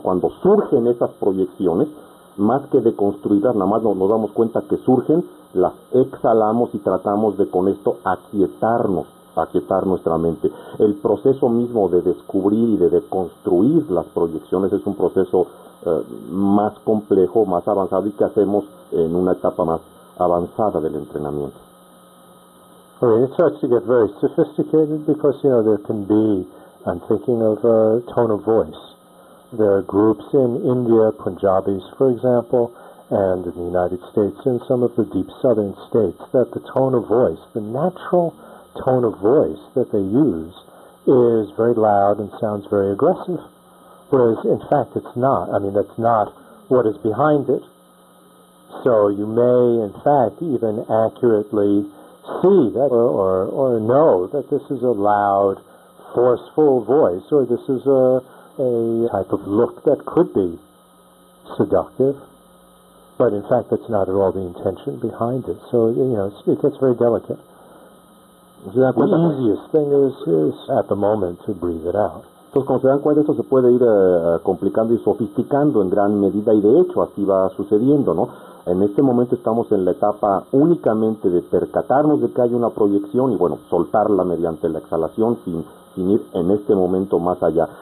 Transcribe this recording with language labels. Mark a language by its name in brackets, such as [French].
[Spanish] Cuando surgen esas proyecciones, más que deconstruirlas, nada más nos damos cuenta que surgen, las exhalamos y tratamos de con esto aquietarnos, aquietar nuestra mente. El proceso mismo de descubrir y de deconstruir las proyecciones es un proceso más complejo, más avanzado, y que hacemos en una etapa más avanzada del entrenamiento. [English] Okay, it starts to get very sophisticated because, you know, there can be, I'm thinking of a tone of voice. There are groups in India, Punjabis, for example, and in the United States, in some of the deep southern states, that the tone of voice, the natural tone of voice that they use is very loud and sounds very aggressive. Whereas, in fact, it's not. I mean, that's not what is behind it. So you may, in fact, even accurately see that or know that this is a loud, forceful voice, or this is a type of look that could be seductive. But, in fact, that's not at all the intention behind it. So, you know, it gets very delicate. Exactly. The easiest thing is, at the moment, to breathe it out. [Spanish] Entonces, cuando se dan cuenta, esto se puede ir complicando y sofisticando en gran medida, y de hecho así va sucediendo, ¿no? En este momento estamos en la etapa únicamente de percatarnos de que hay una proyección y, bueno, soltarla mediante la exhalación sin ir en este momento más allá.